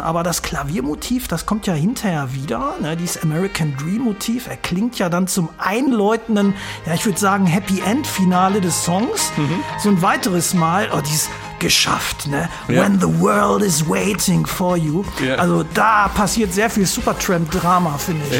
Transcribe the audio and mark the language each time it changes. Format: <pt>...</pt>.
<de>Aber das Klaviermotiv, das kommt ja hinterher wieder. Ne? Dieses American Dream Motiv, er klingt ja dann zum einläutenden, ja, ich würde sagen, Happy End Finale des Songs. Mhm. So ein weiteres Mal, oh, dieses geschafft, ne? Ja.</de> <en>When the world is waiting for you.</en> <de>Ja. Also da passiert sehr viel Supertramp-Drama, finde ich.</de>